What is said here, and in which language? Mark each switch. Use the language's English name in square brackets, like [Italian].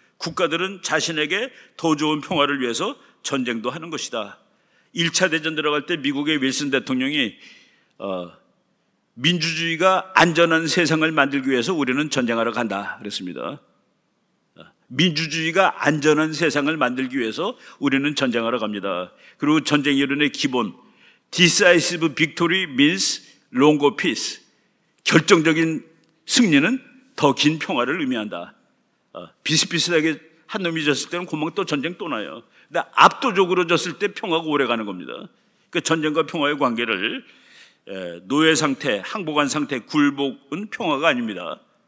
[Korean] 국가들은 자신에게 더 좋은 평화를 위해서 전쟁도 하는 것이다. 1차 대전 들어갈 때 미국의 윌슨 대통령이 민주주의가 안전한 세상을 만들기 위해서 우리는 전쟁하러 간다 그랬습니다. 민주주의가 안전한 세상을 만들기 위해서 우리는 전쟁하러 갑니다. 그리고 전쟁 이론의 기본, [English] decisive victory means longer peace. [Korean] 결정적인 승리는 더 긴 평화를 의미한다. 비슷비슷하게 한 놈이 졌을 때는 금방 또 전쟁 또 나요. 근데 압도적으로 졌을 때 평화가 오래 가는 겁니다. 그러니까 전쟁과 평화의 관계를 노예 상태, 항복한 상태, 굴복은 평화가 아닙니다.